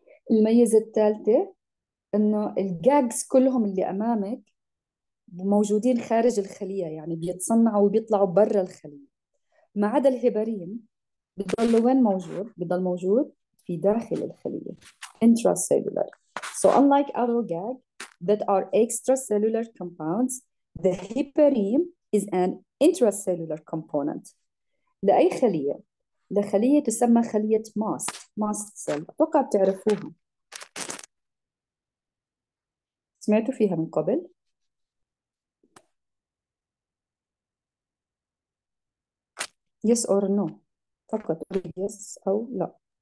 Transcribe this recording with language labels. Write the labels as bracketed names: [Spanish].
[Arabic] الميزة الثالثة إنه الجاكز كلهم اللي أمامك موجودين خارج الخلية، يعني بيتصنعوا وبيطلعوا برا الخلية، ما عدا الهبارين بضل وين موجود؟ بضل موجود في داخل الخلية intracellular. [English] So unlike other gag that are extracellular compounds, the heparin is an intracellular component. [Arabic] لأي خلية؟ لخلية تسمى خلية ماست، ماست سيل، أتوقع بتعرفوها، سمعتوا فيها من قبل؟ [English] Yes or no، [Arabic] فقط yes أو لا.